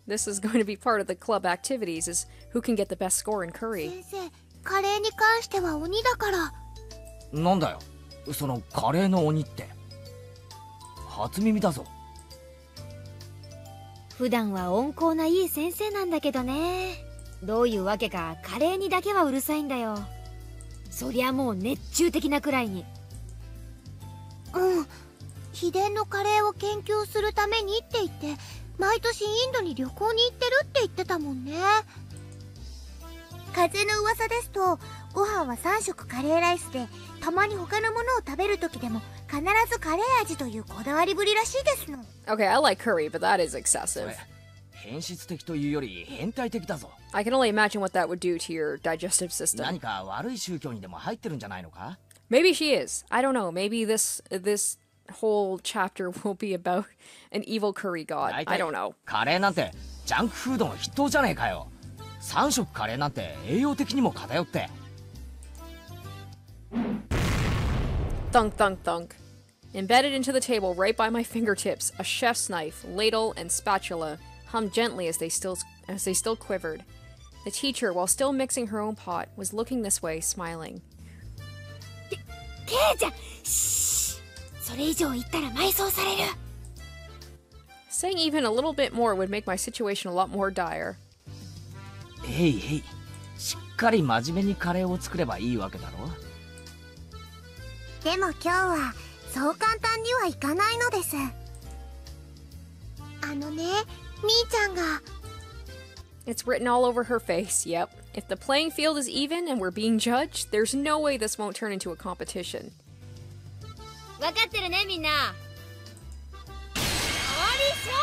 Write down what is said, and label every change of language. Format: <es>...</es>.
<en>This is going to be part of the club activities, is who can get the best score in curry.</en> <ja>先生、カレーに関しては鬼だから。なんだよ、そのカレーの鬼って。初耳だぞ。普段は温厚ないい先生なんだけどね。どういうわけか、カレーにだけはうるさいんだよ。そりゃもう熱中的なくらいに。うん、秘伝のカレーを研究するためにって言って毎年インドに旅行に行ってるって言ってたもんね。風の噂ですとご飯は3食カレーライスで、たまに他のものを食べる時でも必ずカレー味というこだわりぶりらしいですの。</ja> <en>Okay, I like curry, but that is excessive.</en> <ja>変質的というより変態的だぞ。</ja> <en>I can only imagine what that would do to your digestive system.</en> <ja>何か悪い宗教にでも入ってるんじゃないのか。</ja> <en>Maybe she is. I don't know. Maybe this whole chapter will be about an evil curry god. I don't know.</en> <ja>カレーなんてジャンクフードの筆頭じゃねえかよ。3食カレーなんて栄養的にも偏って。</ja> <en>Thunk, thunk, thunk. Embedded into the table right by my fingertips, a chef's knife, ladle, and spatula hummed gently as they still quivered. The teacher, while still mixing her own pot, was looking this way, smiling.</en> <ja>ケイちゃん、それ以上言ったら埋葬される。</ja> <en>Saying even a little bit more would make my situation a lot more dire. Hey, hey.</en> <ja>しっかり真面目にカレーを作ればいいわけだろ。でも今日はそう簡単にはいかないのです。あのね、みーちゃんが。</ja> <en>It's written all over her face, yep. If the playing field is even and we're being judged, there's no way this won't turn into a competition.</en> <ja>わかってるね、みんな。終わり</ja>